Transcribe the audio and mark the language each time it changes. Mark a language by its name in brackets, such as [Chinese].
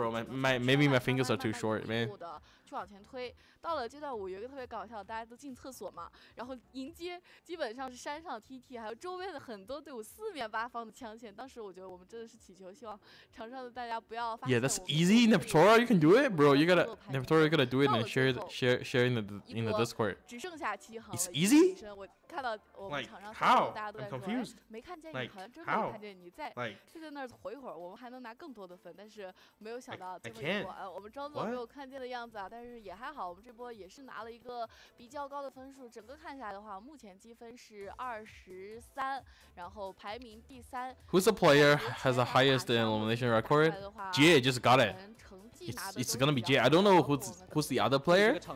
[English] Bro, maybe my fingers are too short, man. [Chinese] 去往前推，到了阶段五，有一个特别搞笑，大家都进厕所嘛，然后迎接基本上是山上 TT， 还有周边的很多队伍四面八方的枪线。当时我觉得我们真的是祈求，希望场上的大家不要发现。 [English] Yeah, that's easy, Neptura. You can do it, bro. You gotta Neptura. You gotta do it and share in the Discord. [Chinese] 只剩下齐恒。 [English] It's easy. [Chinese] 我看到我们场上所有大家都在说，没看见你，好像真没看见你在，就在那儿回会儿，我们还能拿更多的分。但是没有想到这么一波，我们庄总没有看见的样子啊。但是也还好，我们这波也是拿了一个比较高的分数。整个看下来的话，目前积分是23，然后排名第三。 [English] Who's the player has the highest elimination record? Jay just got it. It's gonna be Jay. I don't know who's the other player.